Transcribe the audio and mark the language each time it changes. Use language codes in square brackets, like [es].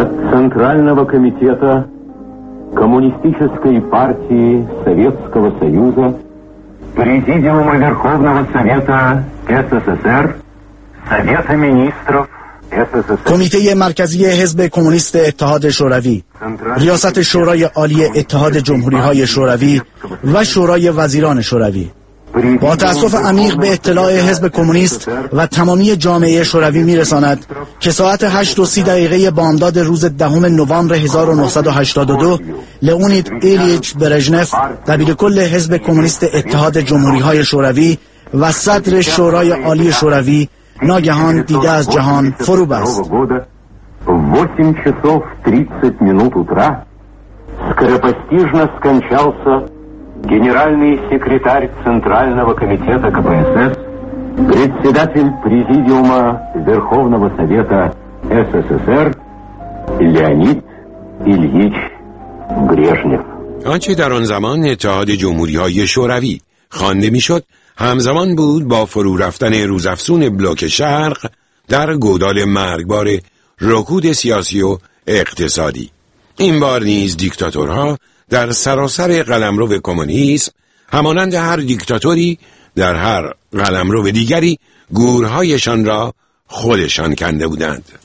[ru] Центрального комитета Коммунистической партии Советского Союза, Президиума Верховного Совета СССР, Совета министров СССР. [fa] کمیته مرکزی حزب کمونیست اتحاد شوروی، ریاست شورای عالی اتحاد جمهوری‌های شوروی و شورای وزیران شوروی. با تأسف عمیق به اطلاع حزب کمونیست و تمامی جامعه شوروی می‌رساند که ساعت 8:30 بامداد روز 10 نوامبر 1982 لئونید ایلیچ برژنف، دبیرکل حزب کمونیست اتحاد جمهوری‌های شوروی و صدر شورای عالی شوروی، ناگهان دیده از جهان فرو بست. [ru] 8:30 утра скоропостижно скончался генеральный секретарь Центрального комитета КПСС, председатель Президиума Верховного Совета СССР Леонид Ильич Брежнев. [fa] آنچه در آن زمان اتحاد جمهوری‌های شوروی خوانده می‌شد همزمان بود با فرو رفتن روزافزون بلوک شرق در گودال مرگبار رکود سیاسی و اقتصادی. این بار نیز دیکتاتورها در سراسر قلمرو کمونیسم همانند هر دیکتاتوری در هر قلمرو دیگری گورهایشان را خودشان کنده بودند.